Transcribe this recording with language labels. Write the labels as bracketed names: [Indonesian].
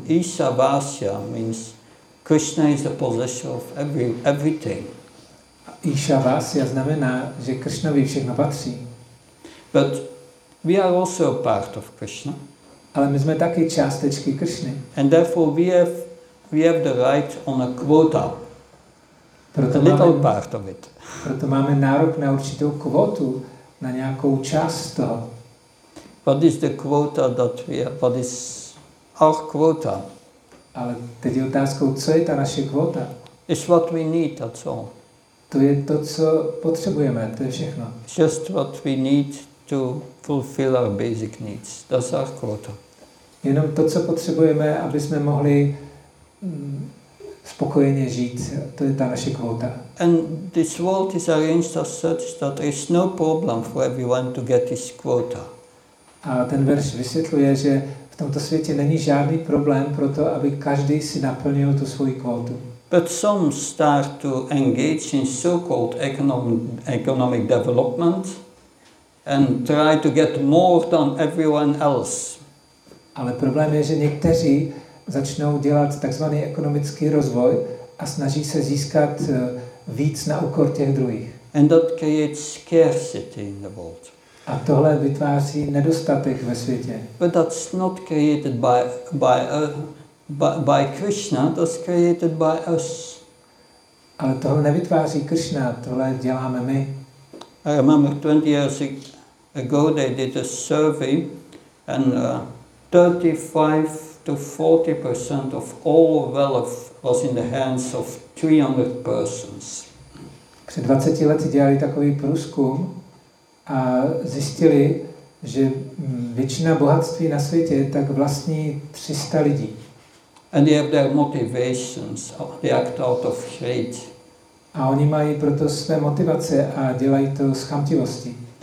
[English] Isha Vasya means Krishna is the possessor of everything. [Czech] Isha Vasya znamená, že Krishnovi všechno patří. [English] But we are also a part of Krishna. [Czech] Ale my jsme taky částečky Krishny. [English] And therefore we have the right on a quota. [Czech] Proto [English] a little part of it. [Czech] Proto máme nárok na určitou kvotu, na nějakou část toho. [English] What is the quota that we have? What is our quota? [Czech] Ale teď je otázkou, co je ta naše kvota? [English] It's what we need, that's all. [Czech] To je to, co potřebujeme, to je všechno. [English] Just what we need to fulfill our basic needs. That's our quota. [Czech] Jenom to, co potřebujeme, aby jsme mohli spokojeně žít, to je ta naše kvota. [English] And this world is arranged as such that there is no problem for everyone to get this quota. [Czech] A ten verš vysvětluje, že v tomto světě není žádný problém pro to, aby každý si naplnil tu svoji kvotu. [English] But some start to engage in so-called economic development and try to get more than everyone else. [Czech] Ale problém je, že někteří začnou dělat takzvaný ekonomický rozvoj a snaží se získat víc na úkor těch druhých. [English] And that creates scarcity in the world. [Czech] A tohle vytváří nedostatek ve světě. [English] But that's not created by Krishna, that's created by us. [Czech] Ale tohle nevytváří Krishna, tohle děláme my. [English] I remember 20 years ago they did a survey and 35-40% of all wealth was in the hands of 300 persons. [Czech] Před 20 lety dělali takový průzkum a zjistili, že většina bohatství na světě tak vlastní 300 lidí. [English] And they have their motivations, they act out of greed. [Czech] A oni mají proto své motivace a dělají to z chamtivosti.